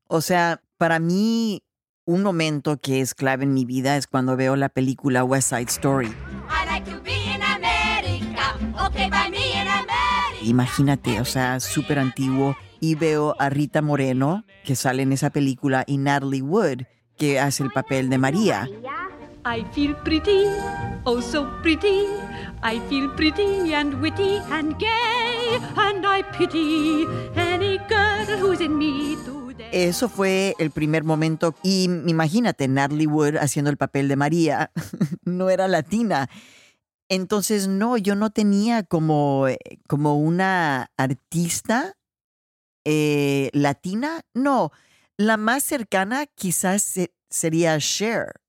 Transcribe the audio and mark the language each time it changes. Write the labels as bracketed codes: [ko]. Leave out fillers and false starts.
[es] O sea, para mí, un momento que es clave en mi vida es cuando veo la película West Side Story. [en] I like to be in America, okay, by me in America. [es] Imagínate, o sea, súper antiguo. Y veo a Rita Moreno, que sale en esa película, y Natalie Wood, que hace el papel de María. [en] I feel pretty, oh so pretty. I feel pretty and witty and gay, and I pity any girl who's in me today. [es] Eso fue el primer momento. Y imagínate, Natalie Wood haciendo el papel de María. No era latina. Entonces, no, yo no tenía como una artista latina. No, la más cercana quizás sería Cher.